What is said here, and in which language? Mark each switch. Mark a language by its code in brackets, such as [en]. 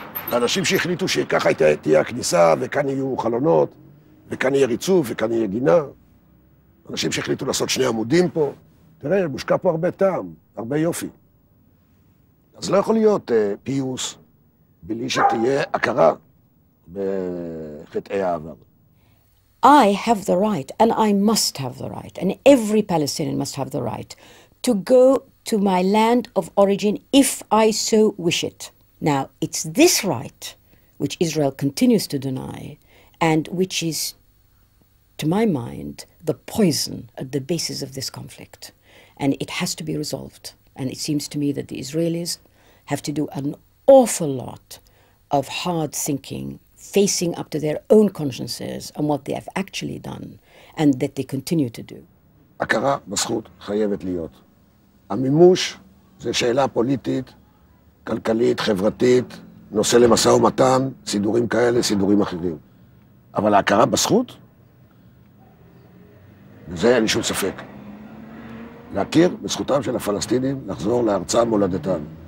[he] לאנשים שהחליטו שככה תהיה הכניסה וכאן יהיו חלונות, וכאן יהיה ריצוף וכאן יהיה גינה. אנשים שהחליטו לעשות שני עמודים פה. תראה, מושקע פה הרבה טעם, הרבה יופי. אז לא יכול להיות פיוס בלי שתהיה הכרה בחטאי העבר. [en] I have the right, and I must have the right, and every Palestinian must have the right to go to my land of origin if I so wish it. Now, it's this right which Israel continues to deny, and which is, to my mind, the poison at the basis of this conflict. And it has to be resolved. And it seems to me that the Israelis have to do an awful lot of hard thinking facing up to their own consciences and what they have actually done and that they continue to do. [he] הכרה בזכות חייבת להיות. המימוש זה שאלה פוליטית, כלכלית, חברתית, נושא למסע ומתן, סידורים כאלה, סידורים אחרים. אבל ההכרה בזכות? וזה אין שום ספק. להכיר בזכותם של הפלסטינים לחזור לארצם מולדתם.